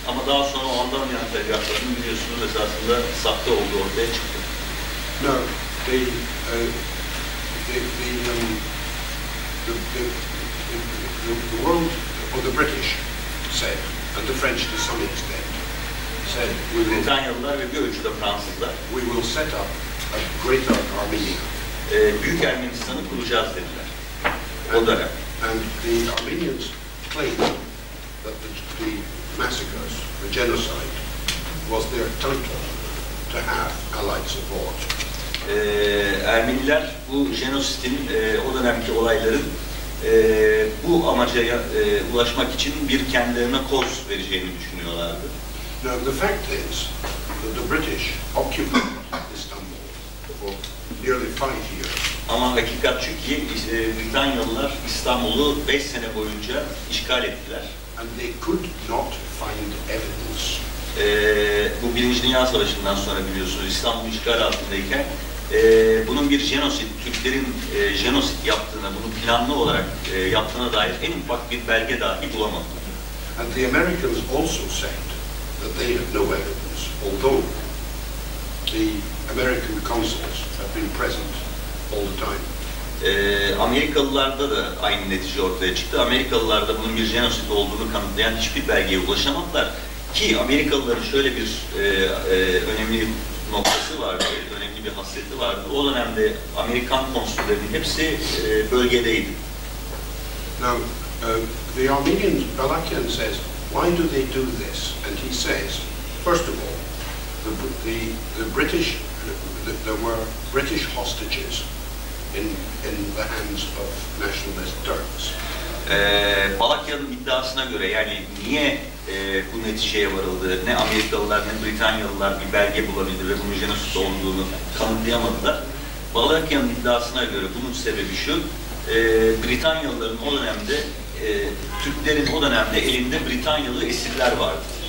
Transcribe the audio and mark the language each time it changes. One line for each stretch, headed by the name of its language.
Turkish: Ama daha sonra o Andonyan tarafından biliyorsunuz esasında sahte olduğu ortaya çıktı.
English: No, the world or the British said, and the French to some extent said, we will.
Turkish: Britanyalılar ve bir ölçüde Fransızlar.
English: We will set up a greater Armenia.
Turkish: Büyük Ermenistan'ı kuracağız dediler. O dönem.
English: And the Armenians claimed that the massacres, the genocide, was their title to have Allied support.
Turkish: Ermeniler bu jenositin o dönemki olayların bu amaca ulaşmak için bir kendilerine koz vereceğini düşünüyorlardı.
English: Now the fact is that the British occupied Istanbul for nearly 5 years.
Turkish: Ama hakikat şu ki Britanyalılar İstanbul'u 5 sene boyunca işgal ettiler.
English: And they could not find evidence.
Turkish: Bu Birinci Dünya Savaşı'ndan sonra biliyorsunuz İstanbul işgal altındayken bunun bir jenosit, Türklerin jenosit yaptığına, bunu planlı olarak yaptığına dair en ufak bir belge dahi bulamadılar.
English: And the Americans also said that they had no evidence, although the American consuls have been present all the time.
Turkish: Amerikalılarda da aynı netice ortaya çıktı. Amerikalılar da bunun bir jenosit olduğunu kanıtlayan hiçbir belgeye ulaşamadılar. Ki Amerikalıların şöyle bir önemli noktası vardı, önemli bir hasreti vardı. O dönemde Amerikan konsullarının hepsi bölgedeydi.
English: Now, the Armenian Balakian says, why do they do this? And he says, first of all, there were British hostages in the hands of nationalist Turks.
Turkish: Balakian'ın iddiasına göre, yani niye bu neticeye varıldı, ne Amerikalılar ne Britanyalılar bir belge bulabildi ve bunun jenosit olduğunu kanıtlayamadılar. Balakian'ın iddiasına göre bunun sebebi şu, Britanyalıların o dönemde, Türklerin o dönemde elinde Britanyalı esirler vardı.